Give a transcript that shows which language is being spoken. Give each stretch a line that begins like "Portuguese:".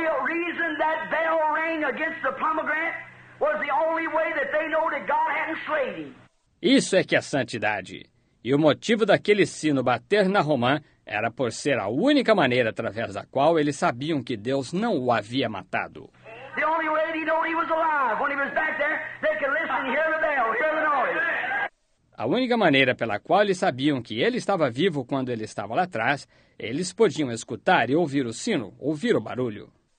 English: Reason that bell rang against the pomegranate was the only way that they know that God hadn't slain him.
Portuguese: Isso é que é santidade. E o motivo daquele sino bater na romã era por ser a única maneira através da qual eles sabiam que Deus não o havia matado.
English: The only way they know he was alive when he was back there, they could listen, hear the bell, hear the noise.
Portuguese: A única maneira pela qual eles sabiam que ele estava vivo quando ele estava lá atrás, eles podiam escutar e ouvir o sino, ouvir o barulho.